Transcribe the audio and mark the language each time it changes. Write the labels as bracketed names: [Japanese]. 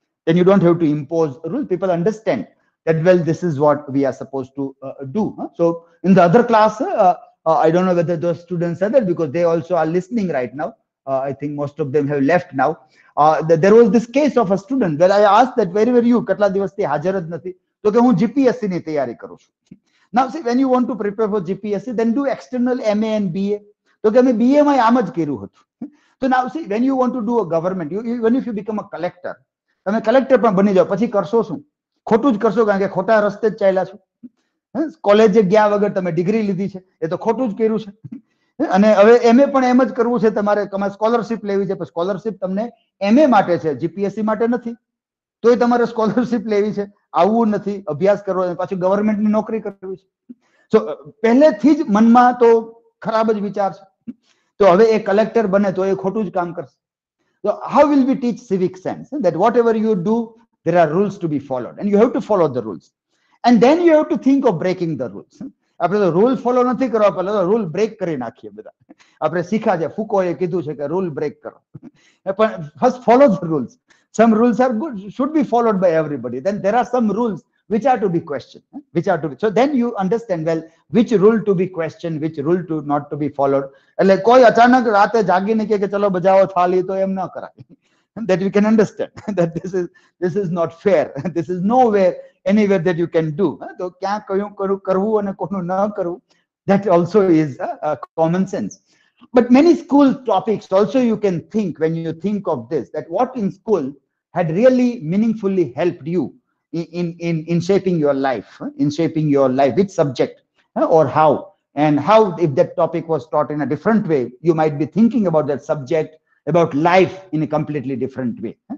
[English] Then you don't have to impose rules. People understand that, well, this is what we are supposed to do. So in the other class, I don't know whether those students are there, because they also are listening right now. I think most of them have left now. There was this case of a student where I asked that, where were you? [Gujarati] Katla divasthi hajarad nathi. તો કે હું જીપીએસસીની તૈયારી કરું છું. [English] Now see, when you want to prepare for GPSC, then do external MA and BA. [Gujarati] તો કે મેં BA માં આમ જ કર્યું હતું. તો [English] now see, when you want to do a government, when if you become a collector, [Gujarati] તમે કલેક્ટર પણ બની જાઓ, પછી કરશો શું? ખોટું જ કરશો, કારણ કે ખોટા રસ્તે જ ચાલ્યા છો. કોલેજે ગયા વગર તમે ડિગ્રી લીધી છે, એ તો ખોટું જ કર્યું છે. અને હવે એમએ પણ એમ જ કરવું છે તમારે. તમારે સ્કોલરશીપ લેવી છે, સ્કોલરશીપ તમને એમએ માટે છે, જીપીએસસી માટે નથી. તોય તમારે સ્કોલરશીપ લેવી છે, આવું નથી, અભ્યાસ કરવો, પાછું ગવર્મેન્ટની નોકરી કરવી છે. સો પહેલેથી જ મનમાં તો ખરાબ જ વિચાર છે. તો હવે એ કલેક્ટર બને તો એ ખોટું જ કામ કરશે. તો [English] How will we teach civic sense? That whatever you do, there are rules to be followed, and you have to follow the rules, and then you have to think of breaking the rules. [Gujarati] આપણે તો rule follow નથી કરવા, પહેલા તો rule break કરી નાખીએ બધા. આપણે શીખા છે, ફૂકોએ કીધું છે કે રૂલ બ્રેક કરો, પણ [English] First follow the rules. Some rules are good, should be followed by everybody. Then there are some rules which are to be questioned, which are to be. So then you understand, well, which rule to be questioned, which rule to not to be followed. [Gujarati] એટલે કોઈ અચાનક રાતે જાગીને કહે કે ચલો બજાવો થાળી, તો એમ ના કરાય. [English] That you can understand that this is not fair. This is nowhere, anywhere that you can do. [Gujarati] તો ક્યાં કયું કરવું અને કોનું ન કરવું, [English] that also is a common sense. But many school topics also you can think, when you think of this, that what in school had really meaningfully helped you in shaping your life, in shaping your life, which subject or how, and how, if that topic was taught in a different way, you might be thinking about that subject, about life, in a completely different way.